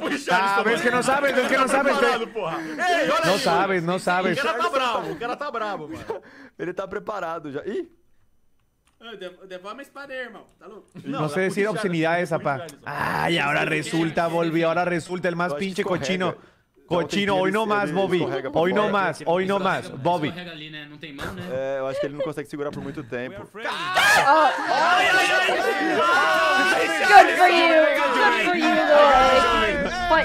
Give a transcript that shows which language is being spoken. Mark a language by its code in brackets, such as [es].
[es] Ah, ves que no sabes, ves que no sabes. No sabes, no sabes. [pt] O cara tá bravo, o cara tá bravo, mano. Ele tá preparado já. Ih! Devolve a espada, irmão. Tá louco? [es] No sé decir obscenidades, apá. Ay, ahora resulta, volvió, ahora resulta el más pinche cochino. Cochino, hoy no más, Bobby. Hoy no más, hoy no más, Bobby. [pt] É, eu acho que ele não consegue segurar por muito tempo. [en] Good for you, good for you, boy. But